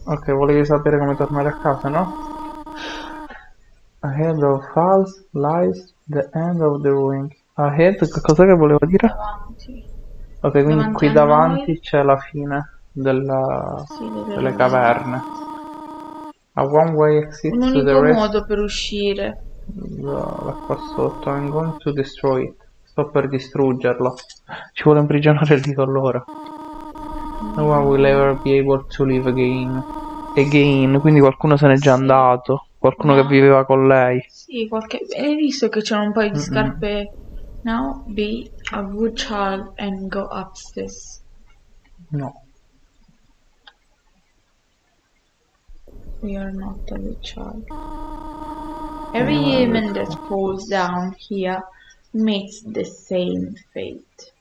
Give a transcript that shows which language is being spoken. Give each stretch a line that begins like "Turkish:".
Italian: Ok, volevi sapere come tornare a casa, no?
English: Ahead of false lies the end of the ruins.
Italian: Ahead, che cosa che volevo dire? Davanti. Ok, quindi qui davanti c'è la fine delle caverne.
English: A one way exit to the rest.
Italian: Un modo per uscire. Da qua sotto.
English: I'm going to destroy it.
Italian: Sto per distruggerlo. Ci vuole imprigionare lì con loro.
English: No one will ever be able to live again.
Italian: Again, quindi qualcuno se n'è già andato. Qualcuno che viveva con lei. Sì, hai visto che c'erano un paio di scarpe.
English: Now be a good child and go upstairs. No. We are not a good child. Every human that falls down here meets the same fate.